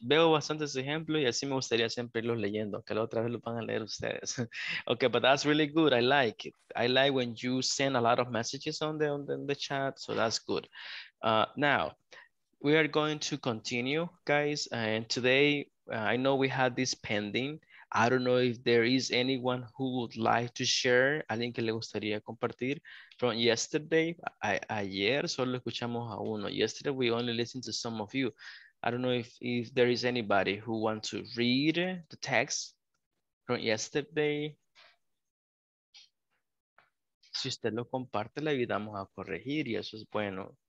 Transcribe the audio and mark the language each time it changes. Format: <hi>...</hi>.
<es>Veo bastantes ejemplos y así me gustaría siempre irlos leyendo, que la otra vez lo van a leer ustedes.</es> <en>Okay, but that's really good, I like it. I like when you send a lot of messages on the chat, so that's good. Now, we are going to continue, guys, and today I know we had this pending. I don't know if there is anyone who would like to share,</en> <es>alguien que le gustaría compartir</es> <en>from yesterday.</en> <es>Ayer solo escuchamos a uno.</es> <en>Yesterday we only listened to some of you. I don't know if there is anybody who wants to read the text from yesterday.</en> <es>Si usted lo comparte, le ayudamos a corregir y eso es bueno.</es>